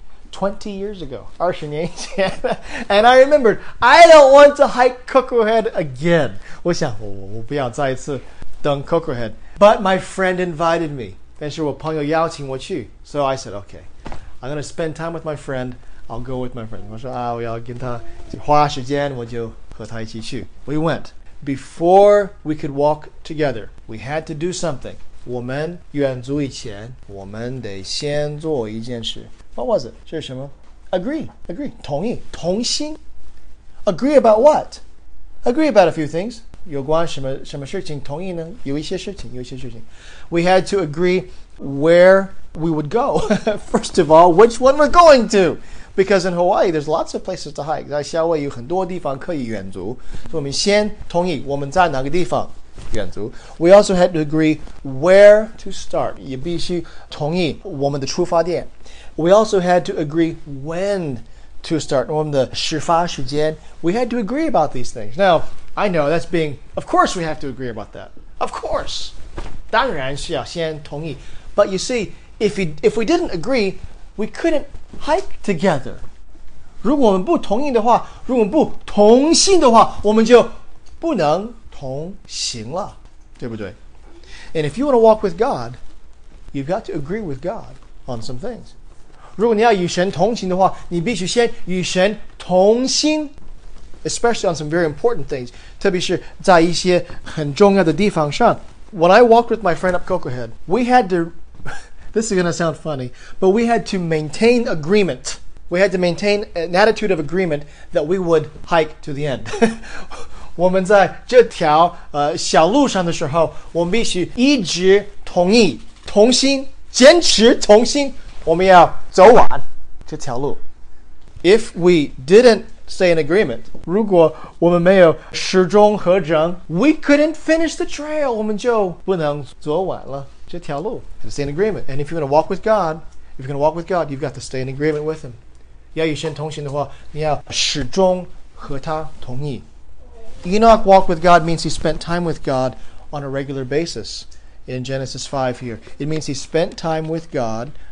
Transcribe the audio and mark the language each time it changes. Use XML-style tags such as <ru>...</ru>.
<en>20 years ago,</en> <zh>20 年前,</zh> <en>and I remembered, I don't want to hike Coco Head again.</en> <zh>我想我不要再一次登 Coco Head.</zh> <en>But my friend invited me.</en> <zh>但是我朋友邀请我去。</zh> <en>So I said, okay, I'm going to spend time with my friend. I'll go with my friend.</en> <zh>我说我要跟他花时间，我就和他一起去。</zh> <en>We went. Before we could walk together, we had to do something.</en> <zh>我们远足以前，我们得先做一件事。</zh> <en>What was it?</en> <zh>这是什么?</zh> <en>Agree.</en> <zh>同意。同心。</zh> <en>Agree about what? Agree about a few things.</en> <zh>有关什么事情同意呢?有一些事情。</zh> <en>We had to agree where we would go. First of all, which one we're going to. Because in Hawaii, there's lots of places to hike.</en> <zh>在夏威夷有很多地方可以远足。所以我们先同意我们在哪个地方远足。</zh> <en>We also had to agree where to start.</en> <zh>也必须同意我们的出发点。</zh> <en>We also had to agree when to start.</en> <zh>我们的始发时间</zh> <en>We had to agree about these things. Now, I know that's being... Of course we have to agree about that. Of course.</en> <zh>当然需要先同意。</zh> <en>But you see, if we didn't agree, we couldn't hike together.</en> <zh>如果我们不同意的话,如果我们不同心的话,我们就不能同行了。对不对?</zh> <en>And if you want to walk with God, you've got to agree with God on some things.</en> <zh>如果你要与神同行的话，你必须先与神同心</zh> <en>especially on some very important things,</en> <zh>特别是在一些很重要的地方上。</zh> <en>When I walked with my friend up Coco Head, we had to, this is going to sound funny, but we had to maintain agreement. We had to maintain an attitude of agreement that we would hike to the end.</en> <zh>我们在这条小路上的时候，我们必须一直同意、同心、坚持同心。我们要走完这条路。</zh> <en>If we didn't stay in agreement,</en> <zh>如果我们没有始终合整</zh> <en>we couldn't finish the trail,</en> <zh>我们就不能走完了这条路。</zh> <en>To stay in agreement. And if you're going to walk with God, if you're going to walk with God, you've got to stay in agreement with Him.</en> <zh>要与神同行的话，你要始终和他同意。</zh> <en>Enoch walked with God means he spent time with God on a regular basis. In Genesis 5 here, it means he spent time with God.</en>